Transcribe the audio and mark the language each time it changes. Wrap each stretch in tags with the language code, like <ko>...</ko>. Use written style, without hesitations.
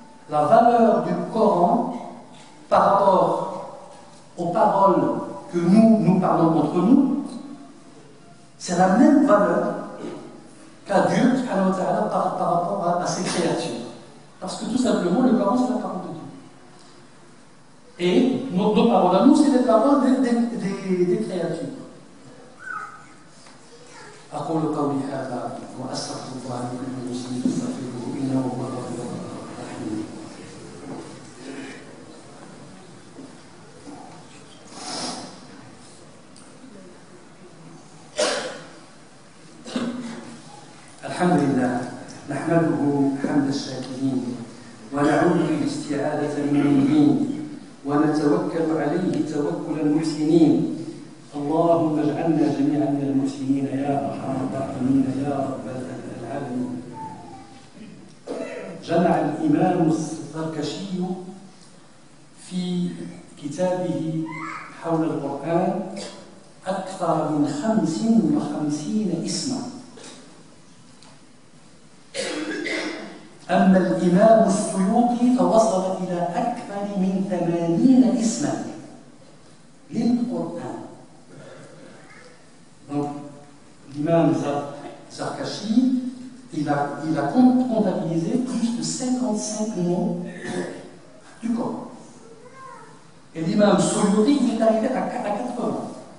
<fr>La valeur du Coran par rapport aux paroles que nous parlons entre nous, c'est la même valeur qu'à Dieu</fr> <ar>subhanahu wa ta'ala</ar> <fr>par rapport à ses créatures. Parce que tout simplement, le Coran, c'est la parole de Dieu. Et nos paroles à nous, c'est les paroles des créatures.</fr> <ar>أقول قولي هذا وأستغفر الله من كل مسلم يستغفره إنه هو الغفور الرحيم. الحمد لله نحمده حمد الشاكرين ونعوذ بالاستعاذة من المعين ونتوكل عليه توكل المحسنين. اللهم اجعلنا جميعا من المسلمين يا ارحم الراحمين يا رب العالمين. جمع الامام الزركشي في كتابه حول القران اكثر من 55 اسما. اما الامام السيوطي فوصل الى اكثر من 80 اسما للقران.</ar> <fr>Donc, l'imam Zarkashi, il a comptabilisé plus de 55 noms du Coran. Et l'imam Suyuti, il est arrivé à 80.</fr>